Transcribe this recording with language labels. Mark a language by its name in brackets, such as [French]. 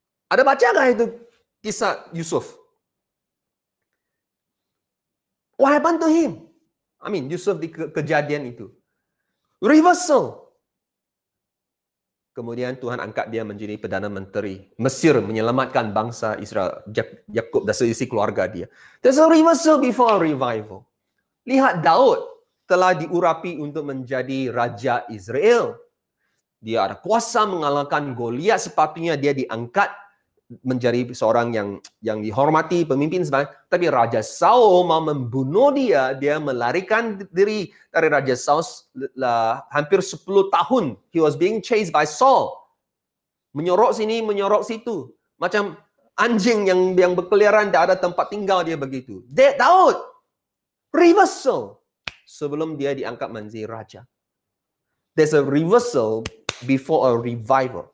[Malay] Ada baca gak itu kisah Yusuf? [English] What happened to him? I mean, [Malay] Yusuf di kejadian itu. [English] Reversal. [Malay] Kemudian Tuhan angkat dia menjadi Perdana Menteri. Mesir menyelamatkan bangsa Israel, Yakub dan seisi keluarga dia. [English] There's a reversal before a revival. [Malay] Lihat Daud telah diurapi untuk menjadi Raja Israel. Dia ada kuasa mengalahkan Goliat, sepatutnya dia diangkat menjadi seorang yang dihormati, pemimpin sebagainya. Tapi Raja Saul mau membunuh dia, dia melarikan diri dari Raja Saul hampir 10 tahun. [English] He was being chased by Saul. [Malay] Menyorok sini, menyorok situ. Macam anjing yang berkeliaran, tak ada tempat tinggal dia begitu. Daud, reversal. Sebelum dia diangkat menjadi raja. [English] There's a reversal before a revival.